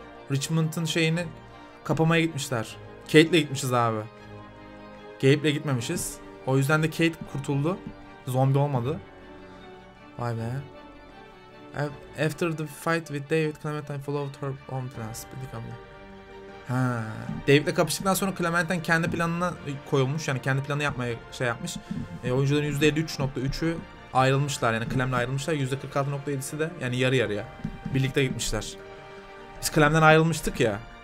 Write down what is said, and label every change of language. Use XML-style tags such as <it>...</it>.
<tr>Richmond'ın şeyini kapamaya gitmişler. Kate'le gitmişiz abi. Gabe'le gitmemişiz. O yüzden de Kate kurtuldu. Zombi olmadı. Vay be.</tr> <en>After the fight with David, Clementine followed her own plans. Ha.</en> <tr>David'le kapıştıktan sonra Clementine kendi planına koyulmuş. Yani kendi planı yapmaya şey yapmış. Oyuncuların %53.3'ü ayrılmışlar yani Clem'le ayrılmışlar. %46.7'si de yani yarı yarıya birlikte gitmişler. Biz Clem'den ayrılmıştık ya.</tr>